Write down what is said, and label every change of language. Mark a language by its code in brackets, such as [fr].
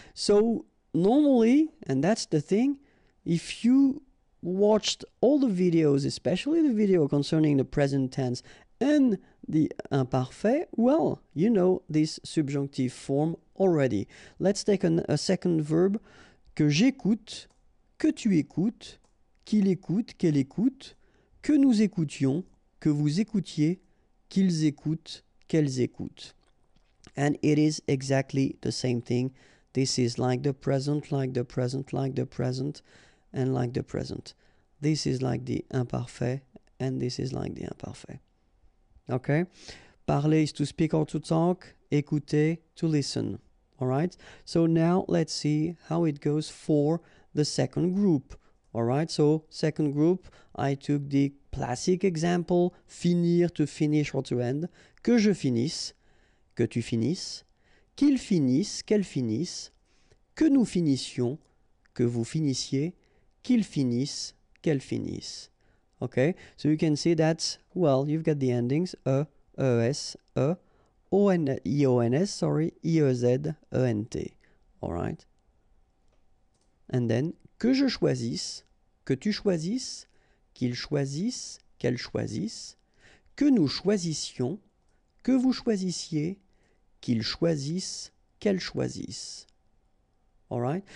[en] So, normally, and that's the thing, if you watched all the videos, especially the video concerning the present tense and the imparfait, well, you know this subjonctive form already. Let's take a second verb. [fr] Que j'écoute, que tu écoutes, qu'il écoute, qu'elle écoute, que nous écoutions, que vous écoutiez, qu'ils écoutent, qu'elles écoutent. [en] And it is exactly the same thing. This is like the present, like the present, like the present, and like the present. This is like the imparfait, and this is like the imparfait. Okay? Parler is to speak or to talk. Écouter, to listen. Alright? So now let's see how it goes for the second group. Alright? So, second group, I took the classic example, finir, to finish or to end. [fr] Que je finisse, que tu finisses, qu'il finisse, qu'elle finisse, que nous finissions, que vous finissiez, qu'il finisse, qu'elle finisse. [en] Okay, so you can see that, well, you've got the endings, E, E, S, E, O, N, E, O, N, S, sorry, E, E, Z, E, N, T. [fr] Alright. [en] And then, [fr] que je choisisse, que tu choisisses, qu'il choisisse, qu'elle choisisse, que nous choisissions, que vous choisissiez, qu'ils choisissent, qu'elles choisissent. Alright?